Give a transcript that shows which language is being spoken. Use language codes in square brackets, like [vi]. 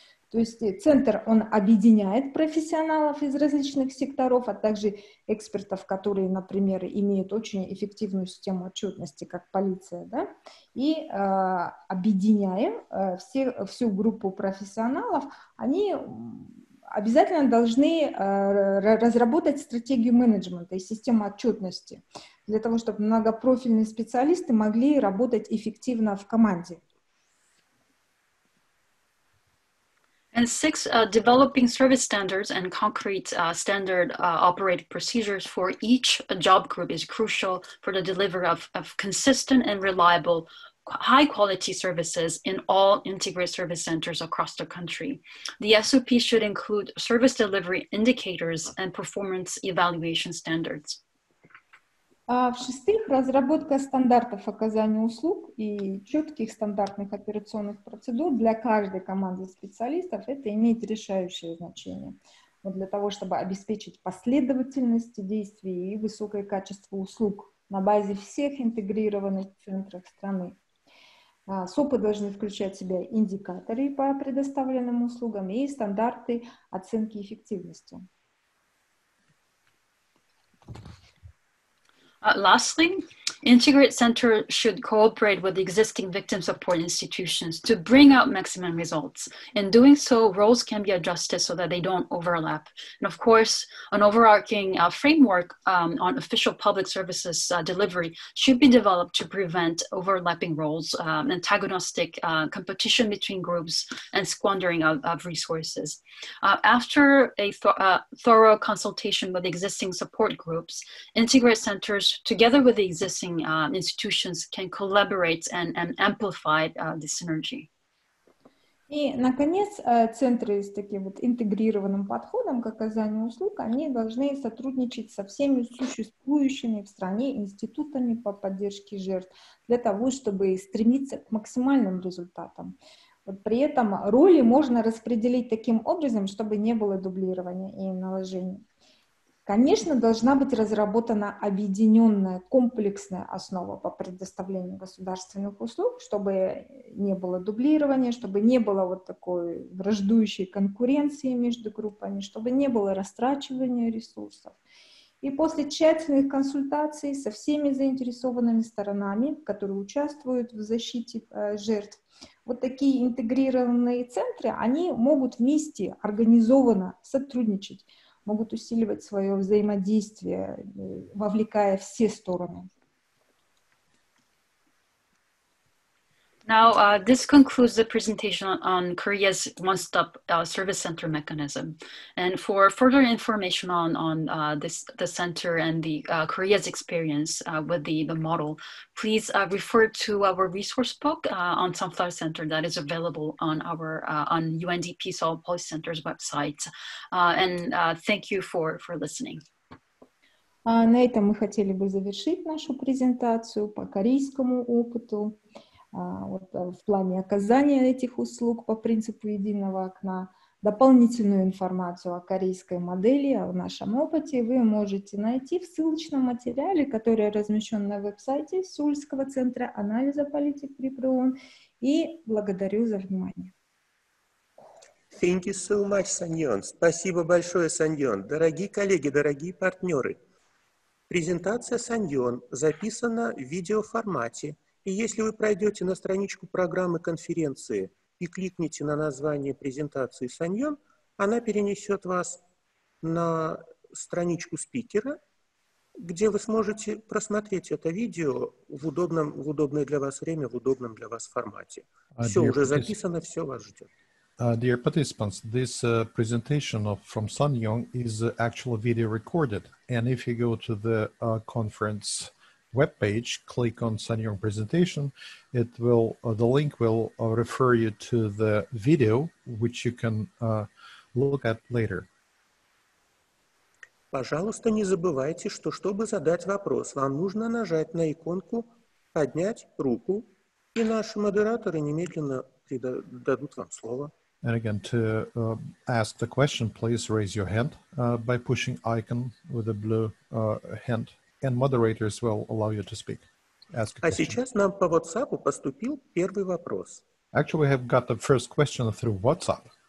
[ru] То есть центр, он объединяет профессионалов из различных секторов, а также экспертов, которые, например, имеют очень эффективную систему отчетности, как полиция, да, и объединяя всю группу профессионалов, они обязательно должны разработать стратегию менеджмента и систему отчетности для того, чтобы многопрофильные специалисты могли работать эффективно в команде. [en] And six, developing service standards and concrete standard operating procedures for each job group is crucial for the delivery of consistent and reliable high-quality services in all integrated service centers across the country. The SOP should include service delivery indicators and performance evaluation standards. [ru] В-шестых, разработка стандартов оказания услуг и четких стандартных операционных процедур для каждой команды специалистов – это имеет решающее значение. Но для того, чтобы обеспечить последовательность действий и высокое качество услуг на базе всех интегрированных центров страны. СОПы должны включать в себя индикаторы по предоставленным услугам и стандарты оценки эффективности. [en] Lastly, integrated centers should cooperate with existing victim support institutions to bring out maximum results. In doing so, roles can be adjusted so that they don't overlap. And of course, an overarching framework on official public services delivery should be developed to prevent overlapping roles, antagonistic competition between groups, and squandering of resources. After a thorough consultation with existing support groups, integrated centers, together with the existing institutions, can collaborate and amplify the synergy. [ru] И, наконец, центры с таким вот интегрированным подходом к оказанию услуг, они должны сотрудничать со всеми существующими в стране институтами по поддержке жертв для того, чтобы стремиться к максимальным результатам. Вот при этом роли можно распределить таким образом, чтобы не было дублирования и наложений. Конечно, должна быть разработана объединенная комплексная основа по предоставлению государственных услуг, чтобы не было дублирования, чтобы не было вот такой враждующей конкуренции между группами, чтобы не было растрачивания ресурсов. И после тщательных консультаций со всеми заинтересованными сторонами, которые участвуют в защите жертв, вот такие интегрированные центры, они могут вместе организованно сотрудничать, могут усиливать свое взаимодействие, вовлекая все стороны. [en] Now, this concludes the presentation on Korea's one-stop service center mechanism. And for further information on the center and the Korea's experience with the model, please refer to our resource book on Sunflower Center that is available on our UNDP Seoul Policy Center's website. Thank you for listening. [ru] На этом мы хотели бы завершить нашу презентацию по корейскому опыту. В плане оказания этих услуг по принципу единого окна. Дополнительную информацию о корейской модели, о нашем опыте вы можете найти в ссылочном материале, который размещен на веб-сайте Сеульского центра анализа политик при ПРООН. И благодарю за внимание. [en] Thank you so much, Sonheong. [ru] Спасибо большое, [en] Sonheong. [ru] Дорогие коллеги, дорогие партнеры, презентация Sonheong записана в видеоформате. И если вы пройдете на страничку программы конференции и кликните на название презентации Sonheong, она перенесет вас на страничку спикера, где вы сможете просмотреть это видео в удобное для вас время, в удобном для вас формате. Все уже записано, все вас ждет. [en] Dear participants, this presentation from Sonheong is actually video recorded. And if you go to the conference webpage, click on Sonheong presentation, the link will refer you to the video, which you can look at later. [ru] Пожалуйста, не забывайте, что чтобы задать вопрос, вам нужно нажать на иконку «Поднять руку», и наши модераторы немедленно дадут вам слово. [en] And again, to ask the question, please raise your hand by pushing icon with a blue hand, and moderators will allow you to speak. Ask [ru] a сейчас нам по WhatsApp поступил первый вопрос. [en] Actually, we have got the first question through WhatsApp.